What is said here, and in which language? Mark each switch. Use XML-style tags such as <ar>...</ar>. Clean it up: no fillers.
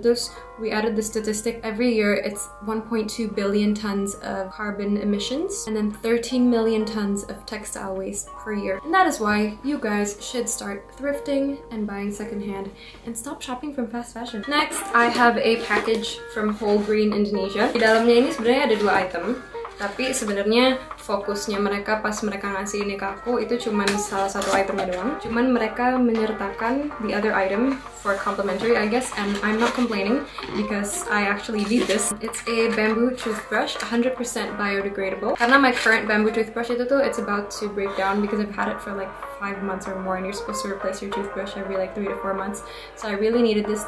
<en>Thus, we added the statistic. Every year, it's 1.2 billion tons of carbon emissions and then 13 million tons of textile waste per year. And that is why you guys should start thrifting and buying secondhand and stop shopping from fast fashion. Next, I have a package from WHOLEGREEN Indonesia.</en> <id>Di dalamnya ini sebenarnya ada dua item, tapi sebenarnya fokusnya mereka pas mereka ngasih ini ke aku itu cuma salah satu itemnya doang. Cuman mereka menyertakan</id> <en>the other item for complimentary, I guess, and I'm not complaining because I actually need this. It's a bamboo toothbrush, 100% biodegradable.</en> <id>Karena</id> <en>my current bamboo toothbrush</en> <id>itu tuh,</id> <en>it's about to break down because I've had it for like 5 months or more, and you're supposed to replace your toothbrush every like 3 to 4 months. So I really needed this.</en>